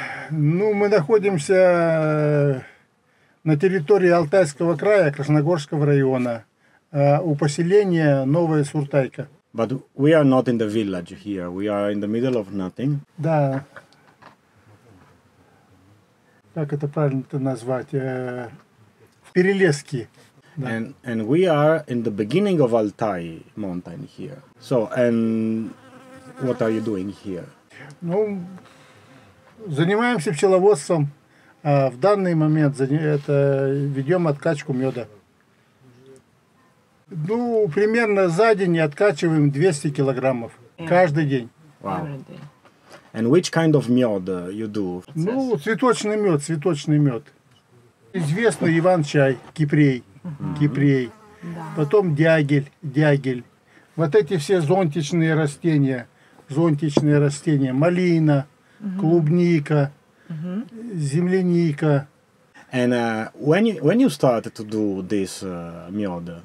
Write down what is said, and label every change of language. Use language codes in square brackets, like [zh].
[ru] Ну, мы находимся на территории Алтайского края, Красногорского района, у поселения Новая Суртайка. [en] But we are not in the village here, we are in the middle of nothing. [ru] Да. Как это правильно-то назвать? В перелеске. [en] And we are in the beginning of Altai mountain here. So, and what are you doing here? [ru] Ну, занимаемся пчеловодством. В данный момент ведем откачку меда. Ну, примерно за день откачиваем 200 килограммов каждый день. [en] Wow. And which kind of mead you do? [ru] Ну, цветочный мед. Известный Иван-чай, кипрей. Mm-hmm. Кипрей, да. Потом дягель. Вот эти все зонтичные растения, малина, mm-hmm. клубника, mm-hmm. земляника. [en] And when you started to do this mead?